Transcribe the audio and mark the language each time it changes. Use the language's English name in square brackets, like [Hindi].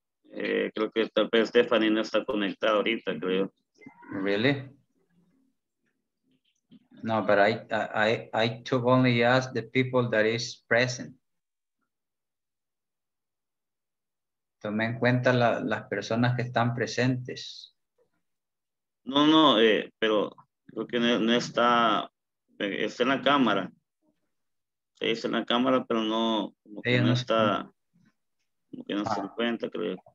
[Spanish] Creo que tal vez Stephanie no está conectada ahorita, creo. [English] Really? No, but I took only just the people that is present. [Spanish] Tomé en cuenta las personas que están presentes. No, no, pero creo que no está, está en la cámara. Sí, está en la cámara, pero no, como que no está, como que no se encuentra, creo.